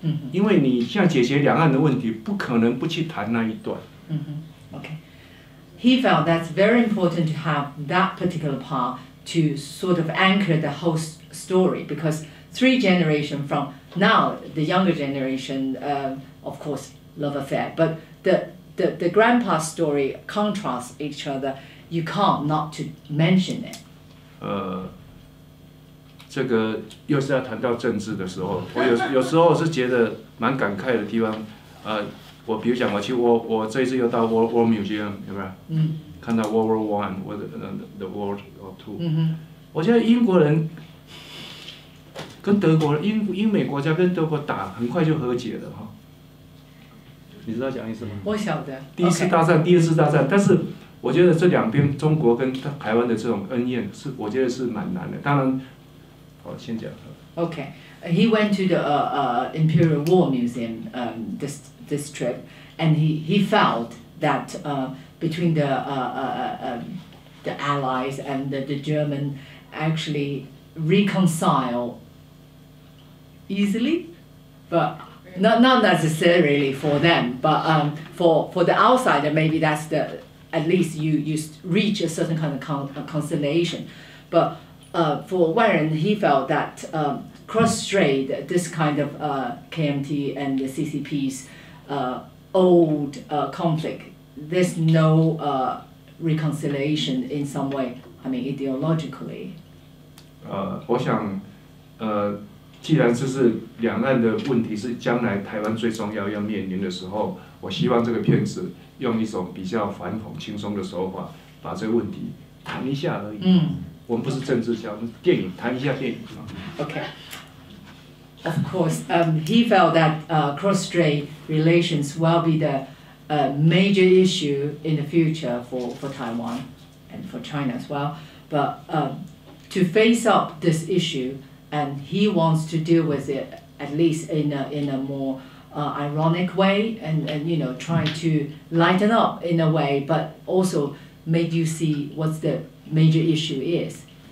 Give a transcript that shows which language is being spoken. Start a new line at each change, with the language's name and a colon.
Chinese: 因为你像解决两岸的问题，不可能不去谈那一段。
English: Okay. He felt that's very important to have that particular part to sort of anchor the whole story because three generation from. Now, the younger generation, of course, love affair, but the grandpa story contrasts each other. You can't not to mention it.
Chinese: 这个又是要谈到政治的时候，我有时候是觉得蛮感慨的地方。我比如讲，我这一次又到 War Museum， 有没有？嗯。看到
English: World War One， 或者the World War Two。嗯哼。
Chinese: 我觉得英国人。跟德国英美国家跟德国打很快就和解了哈，你知道讲意思吗？我晓得。第一次大战，
English: okay.
Chinese: 第二次大战，但是我觉得这两边中国跟台湾的这种恩怨是，我觉得是蛮难的。当然，好，先讲。
English: Okay, he went to the Imperial War Museum this trip, and he felt that between the Allies and the German actually reconcile. Easily, but not necessarily for them, but for the outsider, maybe that's the at least you reach a certain kind of conciliation. But for Wan Jen, he felt that cross-strait this kind of KMT and the CCP's old conflict, there's no reconciliation in some way, I mean, ideologically.
Chinese: 我想既然这是两岸的问题，是将来台湾最重要要面临的时候，我希望这个片子用一种比较反讽轻松的手法把这个问题谈一下而已。嗯，我们不是政治家，我们电影谈一下电影。
English: OK, of course, he felt that cross-strait relations will be the major issue in the future for Taiwan and for China as well, but to face up this issue, and he wants to deal with it at least in a more ironic way, and you know, trying to lighten up in a way, but also make you see what the major issue is.